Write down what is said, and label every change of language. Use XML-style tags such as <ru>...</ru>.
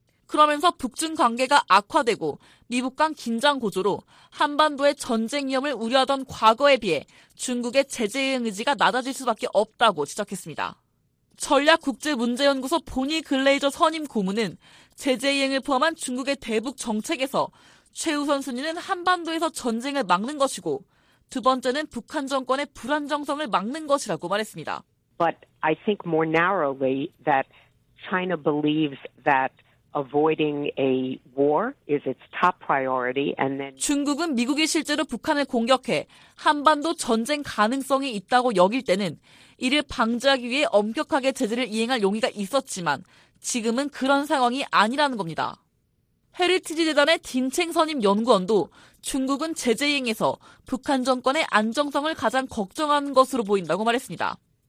<ko>그러면서 북중 관계가 악화되고 미북 간 긴장 고조로 한반도의 전쟁 위험을 우려하던 과거에 비해 중국의 제재 이행 의지가 낮아질 수밖에 없다고 지적했습니다. 전략국제문제연구소 보니 글레이저 선임 고문은 제재 이행을 포함한 중국의 대북 정책에서 최우선순위는 한반도에서 전쟁을 막는 것이고 두 번째는 북한 정권의 불안정성을 막는 것이라고 말했습니다.</ko> <en>But I think more narrowly that China believes that Avoiding a war is its top priority, and then</en> <ko>중국은 미국이 실제로 북한을 공격해 한반도 전쟁 가능성이 있다고 여길 때는 이를 방지하기 위해 엄격하게 제재를 이행할 용의가 있었지만 지금은 그런 상황이 아니라는 겁니다. 헤리티지 재단의 딘챙 선임 연구원도 중국은 제재 이행에서 북한 정권의 안정성을 가장 걱정하는 것으로 보인다고 말했습니다.</ko>